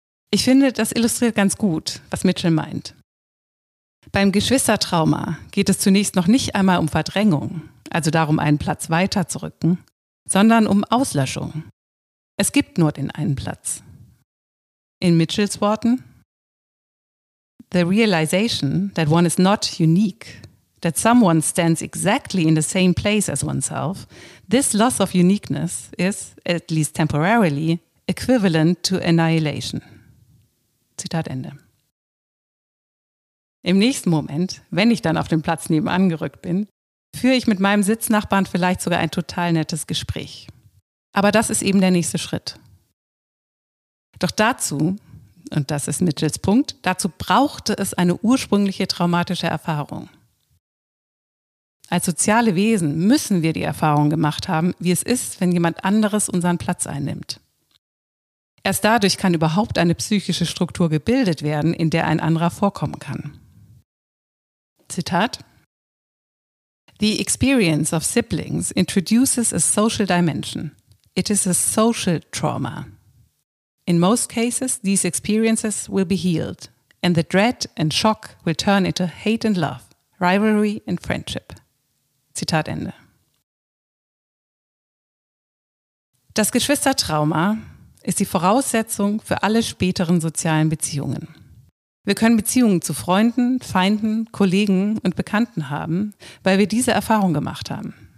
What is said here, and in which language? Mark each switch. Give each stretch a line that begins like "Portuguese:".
German: Ich finde, das illustriert ganz gut, was Mitchell meint. Beim Geschwistertrauma geht es zunächst noch nicht einmal um Verdrängung, also darum, einen Platz weiterzurücken, sondern um Auslöschung. Es gibt nur den einen Platz. In Mitchells Worten:
English: The realization that one is not unique, that someone stands exactly in the same place as oneself, this loss of uniqueness is, at least temporarily, equivalent to annihilation.
German: Zitat Ende. Im nächsten Moment, wenn ich dann auf den Platz nebenan gerückt bin, führe ich mit meinem Sitznachbarn vielleicht sogar ein total nettes Gespräch. Aber das ist eben der nächste Schritt. Doch dazu, und das ist Mitchells Punkt, dazu brauchte es eine ursprüngliche traumatische Erfahrung. Als soziale Wesen müssen wir die Erfahrung gemacht haben, wie es ist, wenn jemand anderes unseren Platz einnimmt. Erst dadurch kann überhaupt eine psychische Struktur gebildet werden, in der ein anderer vorkommen kann. Zitat:
English: The experience of siblings introduces a social dimension. It is a social trauma. In most cases, these experiences will be healed, and the dread and shock will turn into hate and love, rivalry and friendship.
German: Zitat Ende. Das Geschwistertrauma ist die Voraussetzung für alle späteren sozialen Beziehungen. Wir können Beziehungen zu Freunden, Feinden, Kollegen und Bekannten haben, weil wir diese Erfahrung gemacht haben.